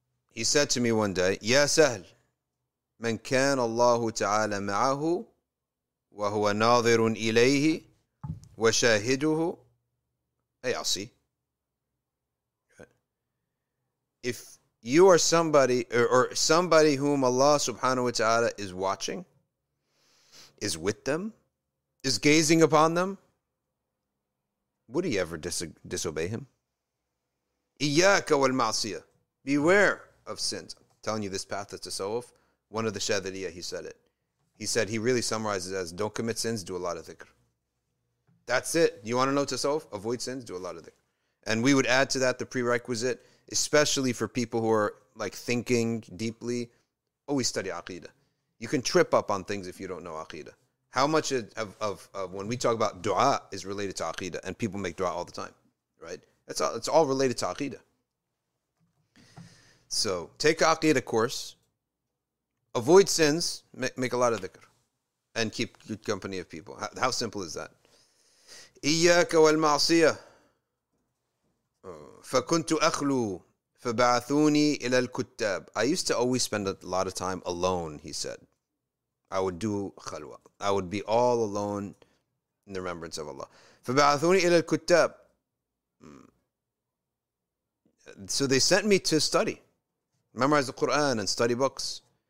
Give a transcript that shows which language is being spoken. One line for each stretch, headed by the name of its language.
English: He said to me one day,
Arabic: يا سهل من كان الله تعالى معه وهو ناظر إليه وشاهده.
English: Hey, I'll see. If you are somebody or somebody whom Allah subhanahu wa ta'ala is watching, is with them, is gazing upon them, would he ever disobey him?
Arabic: Iyaka wal ma'siyah.
English: Beware of sins. I'm telling you this path is a tasawwuf. One of the shadiriyya, he said it. He said, he really summarizes it as, don't commit sins, do a lot of dhikr. That's it. You want to know tasawwuf? Avoid sins, do a lot of dhikr. And we would add to that the prerequisite, especially for people who are like thinking deeply, always study aqidah. You can trip up on things if you don't know aqidah. How much of when we talk about dua is related to aqidah, and people make dua all the time, right? It's all related to aqidah. So take aqidah course, avoid sins, make a lot of dhikr, and keep good company of people. How simple is that?
Arabic: إياك والمعصية فكنت أخلو فبعثوني إلى الكتاب.
English: I used to always spend a lot of time alone, he said. I would do khalwa. I would be all alone in the remembrance of Allah.
Arabic: فَبَعَثُونِ إِلَى الْكُتَّابِ.
English: So they sent me to study, memorize the Quran and study books.